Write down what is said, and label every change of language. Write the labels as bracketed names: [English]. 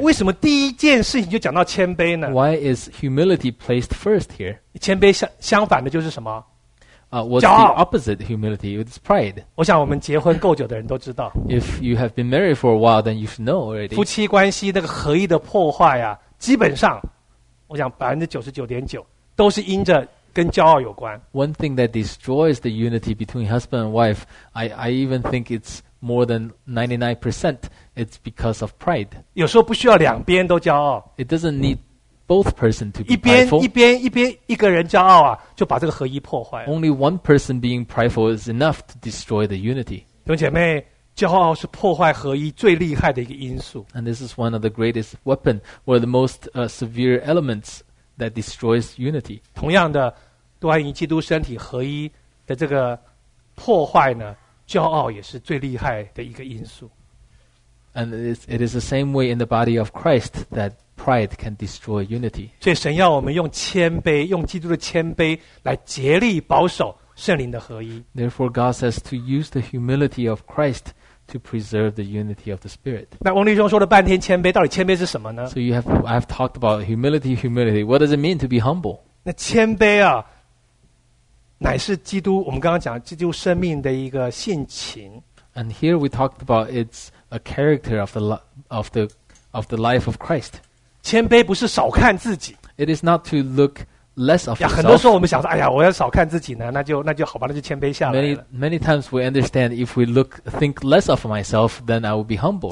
[Chinese] 为什么第一件事情就讲到谦卑呢? [English] Why is humility placed first here? [Chinese] 谦卑相反的就是什么? [English] What's the opposite of humility? It's pride. [Chinese] 我想我们结婚够久的人都知道。 [English] If you have been married for a while, then you should know already. [Chinese] 夫妻关系那个合一的破坏啊，基本上，我想99.9%都是因着跟骄傲有关。 [English] One thing that destroys the unity between husband and wife, I even think it's more than 99%, it's because of pride. [Chinese] 有时候不需要两边都骄傲。 [English] It doesn't need both persons to be prideful. [Chinese] 一边一个人骄傲啊，就把这个合一破坏。 [English] Only one person being prideful is enough to destroy the unity. [Chinese] 弟兄姐妹，骄傲是破坏合一最厉害的一个因素。 [English] And this is one of the greatest weapons or the most severe elements. That destroys unity. [Chinese] 同样的，端于基督身体合一的这个破坏呢，骄傲也是最厉害的一个因素。 [English] And it is the same way in the body of Christ that pride can destroy unity. [Chinese] 所以神要我们用谦卑，用基督的谦卑来竭力保守圣灵的合一。 [English] Therefore God says to use the humility of Christ to preserve the unity of the Spirit. [Chinese] 那翁立中说了半天谦卑，到底谦卑是什么呢？ [English] So I've talked about humility, humility. What does it mean to be humble? [Chinese] 那谦卑啊，乃是基督，我们刚刚讲基督生命的一个性情。 [English] And here we talked about it's a character of the life of Christ. [Chinese] 谦卑不是少看自己。 [English] It is not to look less of yourself. [Chinese] 很多时候我们想说，哎呀，我要少看自己呢，那就好吧，那就谦卑下来了。 [English] Many times we understand if we think less of myself, then I will be humble.